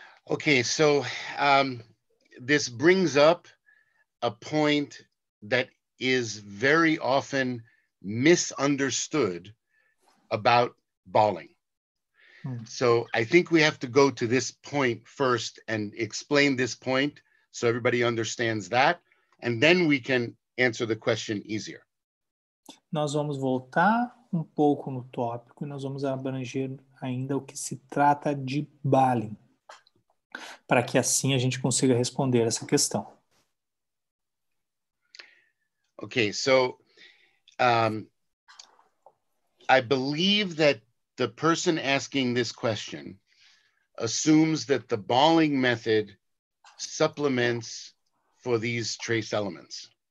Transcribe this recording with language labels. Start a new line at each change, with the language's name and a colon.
English: Okay, so this brings up a point that is very often misunderstood about baling. So I think we have to go to this point first and explain this point so everybody understands that, and then we can answer the question easier.
Portuguese: Nós vamos voltar um pouco no tópico e nós vamos abranger ainda o que se trata de baling, para que assim a gente consiga responder essa questão.
English: Okay, so I believe that the person asking this question assumes that the baling method supplements for these trace elements.